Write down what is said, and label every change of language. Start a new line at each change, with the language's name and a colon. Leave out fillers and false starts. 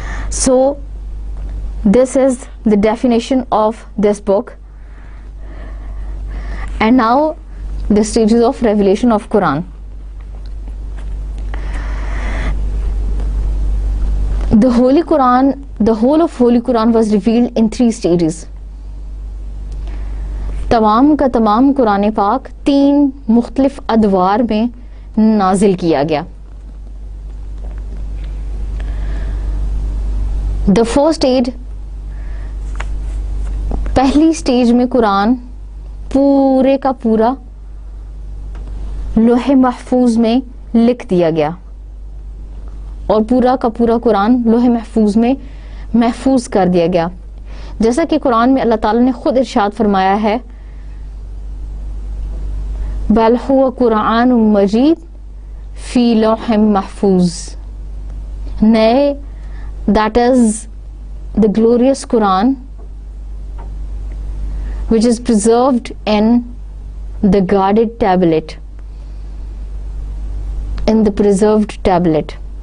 English: So this is the definition of this book. And now the stages of revelation of Quran. The Holy Quran, the whole of Holy Quran was revealed in three stages.
Urdu: تمام کا تمام قرآن پاک تین مختلف ادوار میں نازل کیا گیا.
English: The first stage,
Urdu: پہلی اسٹیج میں قرآن پورے کا پورا لوح محفوظ میں لکھ دیا گیا اور پورا کا پورا قرآن لوح محفوظ میں محفوظ کر دیا گیا. جیسا کہ قرآن میں اللہ تعالیٰ نے خود ارشاد فرمایا ہے
Arabic: بَلْ هُوَ قُرْآنُ مَجِيدٌ فِي لَوْحٍ مَحْفُوظٍ.
English: نئے, that is the glorious Quran which is preserved in the guarded tablet, in the preserved tablet.